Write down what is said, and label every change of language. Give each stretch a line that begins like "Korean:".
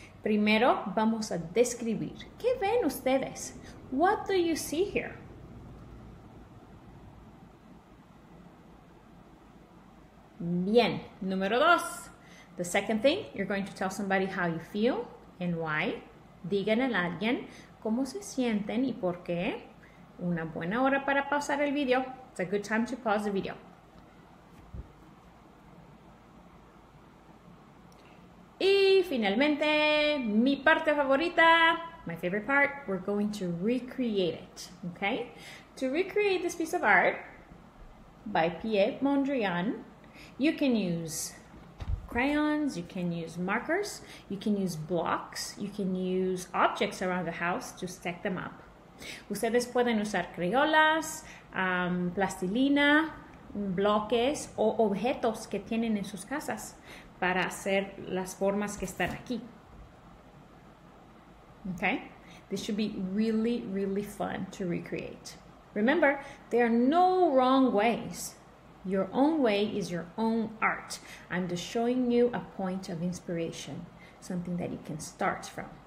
Spanish: Primero, vamos a describir. ¿Qué ven ustedes?
English: What do you see here?
Spanish: Bien, número dos.
English: The second thing, you're going to tell somebody how you feel and why.
Spanish: Digan a alguien cómo se sienten y por qué. Una buena hora para pausar el video.
English: It's a good time to pause the video.
Spanish: Y finalmente, mi parte favorita,
English: my favorite part, we're going to recreate it, okay? To recreate this piece of art by Pierre Mondrian, you can use crayons, you can use markers, you can use blocks, you can use objects around the house to stack them up.
Spanish: Ustedes pueden usar crayolas, plastilina, bloques o objetos que tienen en sus casas para hacer las formas que están aquí.
English: Okay? This should be really, really fun to recreate. Remember, there are no wrong ways. Your own way is your own art. I'm just showing you a point of inspiration, something that you can start from.